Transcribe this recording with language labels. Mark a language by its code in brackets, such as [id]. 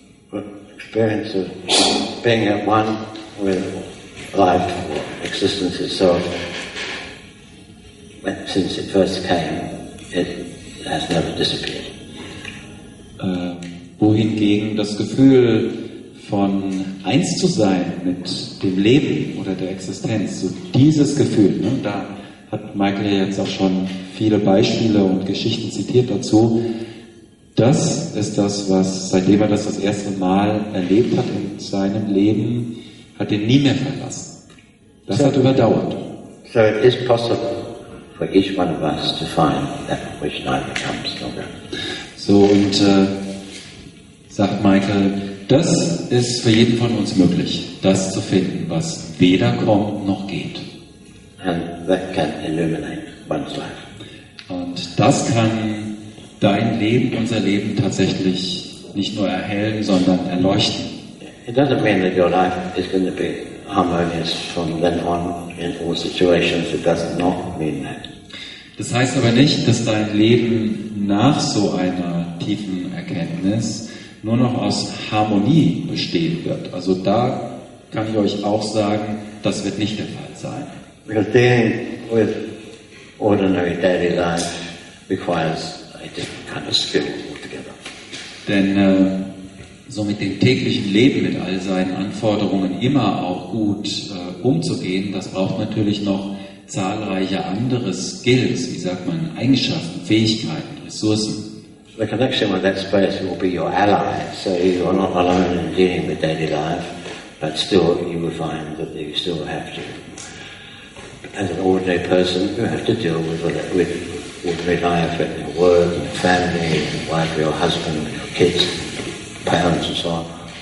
[en] But experience of being at one with life or existence itself, since it first came, it has never disappeared. [de] Wohingegen das Gefühl von eins zu sein mit dem Leben oder der Existenz, so dieses Gefühl, ne, da hat Michael ja jetzt auch schon viele Beispiele und Geschichten zitiert dazu, das ist das, was, seitdem er das erste Mal erlebt hat in seinem Leben, hat ihn nie mehr verlassen. Das so, hat überdauert. [en] So it is possible for each one of us to find that which neither comes longer. [de] So und sagt Michael, das ist für jeden von uns möglich, das zu finden, was weder kommt noch geht. [en] And that can illuminate one's life. [de] Und das kann dein Leben, unser Leben tatsächlich nicht nur erhellen, sondern erleuchten. [en] It doesn't mean that your life is going to be harmonious from then on in all situations. It does not mean that. [de] Das heißt aber nicht, dass dein Leben nach so einer tiefen Erkenntnis nur noch aus Harmonie bestehen wird. Also da kann ich euch auch sagen, das wird nicht der Fall sein. [en] Because dealing with ordinary daily life requires a different kind of skill altogether. [de] Denn so mit dem täglichen Leben, mit all seinen Anforderungen immer auch gut umzugehen, das braucht natürlich noch zahlreiche andere Skills, wie sagt man, Eigenschaften, Fähigkeiten, Ressourcen. [en] The connection with that space will be your ally, so you are not alone in dealing with daily life, but still you will find that you still have to, as an ordinary person, you have to deal with ordinary life, with your work, your family, your wife, your husband, your kids, parents and so on.